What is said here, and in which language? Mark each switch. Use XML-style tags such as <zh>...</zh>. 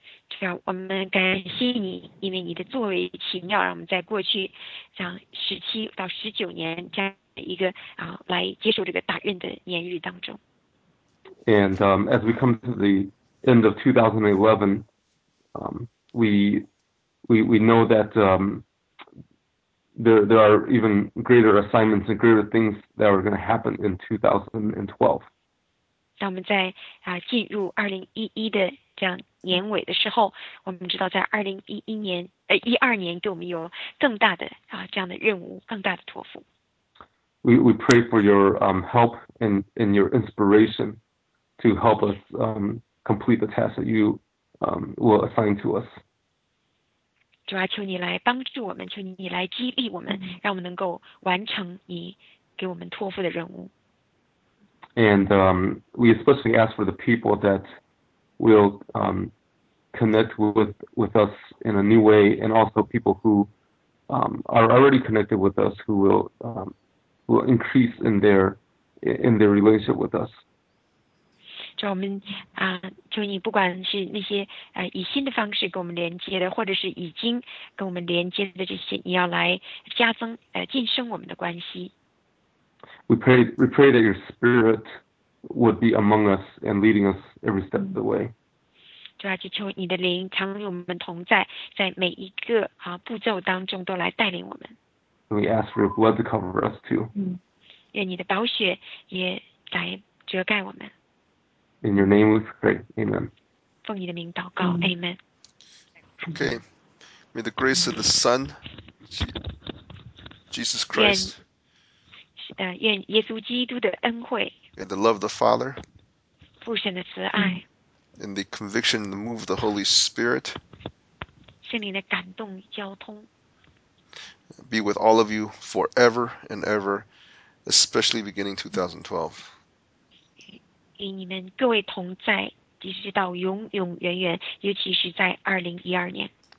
<zh>主啊，我们感谢你，因为你的作为奇妙，让我们在过去像17到19年这样一个来接受这个大任的年日当中。</zh> <en>And as we come to the end of 2011, we know that there are even greater assignments and greater things that are going to happen in 2012.</en> <zh>当我们在进入2011的这样年尾的时候，我们知道在12年给我们有更大的这样的任务，更大的托付。</zh> <en>We pray for your help and your inspiration. To help us complete the task that you will assign to us.</en> <zh>主啊，求你来帮助我们，求你来激励我们，让我们能够完成你给我们托付的任务。</zh> <en>And we especially ask for the people that will connect with us in a new way, and also people who are already connected with us who will increase in their relationship with us.</en> <zh>主啊，我们求你不管是那些以新的方式跟我们连接的，或者是已经跟我们连接的这些，你要来加增晋升我们的关系。</zh> <en>We pray that your spirit would be among us and leading us every step of the way.</en> <zh>主啊，就求你的灵常与我们同在，在每一个步骤当中都来带领我们。</zh> <en>And we ask for your blood to cover us too.</en> <zh>愿你的宝血也来遮盖我们。</zh> <en>In your name we pray, amen.</en> <zh>奉你的名祷告 ,amen.</zh> <en>Okay, may the grace of the Son, Jesus Christ,</en> <zh>愿耶稣基督的恩惠,</zh> <en>and the love of the Father,</en> <zh>父神的慈爱,</zh> <en>and the conviction and the move of the Holy Spirit,</en> <zh>圣灵的感动交通,</zh> <en>be with all of you forever and ever, especially beginning 2012.</en> <zh>与你们各位同在，一直到永永远远，尤其是在2012年。</zh>